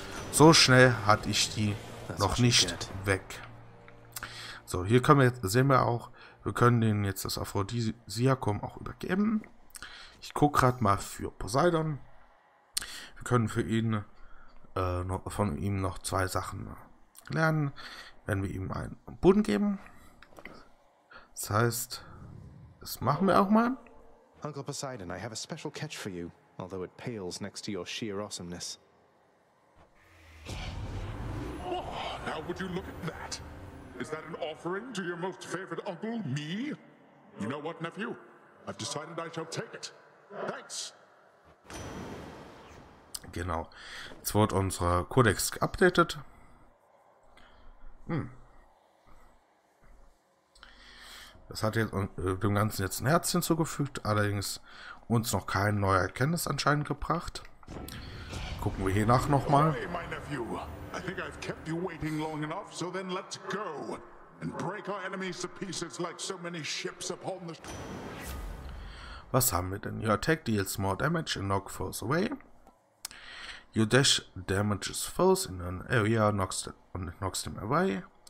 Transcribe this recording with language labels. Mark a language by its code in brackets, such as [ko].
[de] So schnell hatte ich die noch nicht weg. So, hier können wir jetzt, sehen wir auch, wir können denen jetzt das Aphrodisiakum auch übergeben. Ich gucke gerade mal für Poseidon. Wir können für ihn von ihm noch 2 Sachen lernen. Wenn wir ihm einen Boden geben. Das heißt, das machen wir auch mal. [en] Uncle Poseidon, I have a special catch for you, although it pales next to your sheer awesomeness. Oh, now would you look at that? Is that an offering to your most favorite uncle, me? You know what, nephew? I've decided I shall take it. Thanks! [de] Genau. Jetzt wird unser Codex geupdatet. Das hat jetzt dem Ganzen jetzt ein Herz hinzugefügt, allerdings uns noch kein neuer Erkenntnis anscheinend gebracht. Gucken wir hier nach nochmal. Hey, mein Nephew! [en] I think I've kept you waiting long enough, so then let's go and break our enemies to pieces like so many ships upon the... [de] Was haben wir denn? [en] Your attack deals more damage and knock foes away. Your dash damages foes in an area and knocks them away.